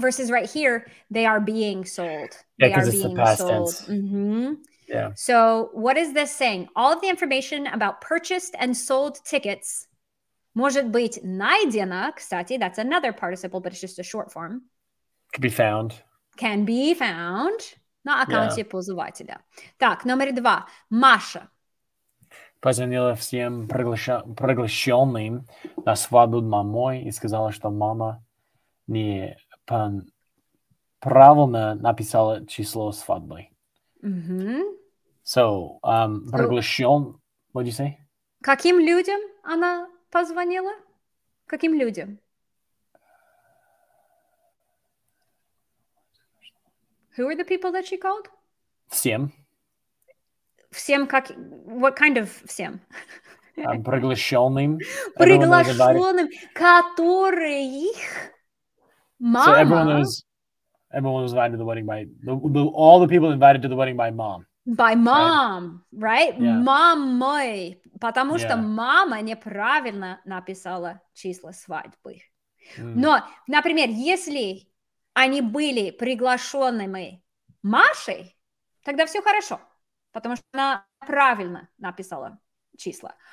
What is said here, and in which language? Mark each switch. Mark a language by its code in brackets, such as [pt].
[en] Versus right here, they are being sold. Yeah, they are it's being the past sold. Tense. Mm-hmm. Yeah. So what is this saying? All of the information about purchased and sold tickets, [ru] может быть найдена, кстати, [en] that's another participle, but it's just a short form. Can be found. [ru] На аккаунте пользователя. Так, номер два. Маша. Позвонила всем приглашенным на свадьбу мамой и сказала, что мама не... Правильно написала число свадьбы. Mm-hmm. [en] Приглашён. What did you say? [ru] Каким людям она позвонила? Каким людям? [en] Who are the people that she called? [ru] Всем. Всем как... [en] What kind of всем? [ru] Приглашённым. Приглашённым, которых мама... [en] So everyone was invited to the wedding by... All the people invited to the wedding by mom. By mom, right? Yeah. Мамой. [ru] Потому что мама неправильно написала числа свадьбы. Но, например, если они были приглашёнными Машей, тогда всё хорошо, потому что она правильно написала числа.